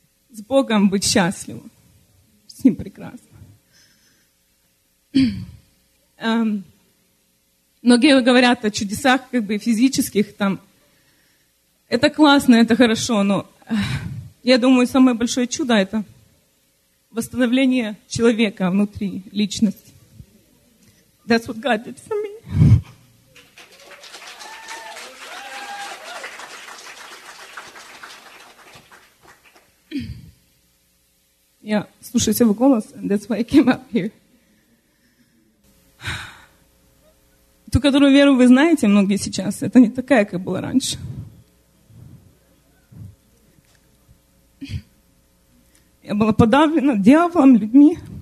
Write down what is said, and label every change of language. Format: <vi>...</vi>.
<ru>С Богом быть счастливым. С Ним прекрасно. Многие говорят о чудесах как бы физических там. Это классно, это хорошо, но я думаю, самое большое чудо — это восстановление человека внутри, личности.</ru> <en>That's what God did for me.</en> <ru>Я слушаю его голос,</ru> <en>and that's why I came up here.</en> <ru>Ту, которую веру вы знаете, многие сейчас, это не такая, как была раньше. Я была подавлена дьяволом, людьми.</ru>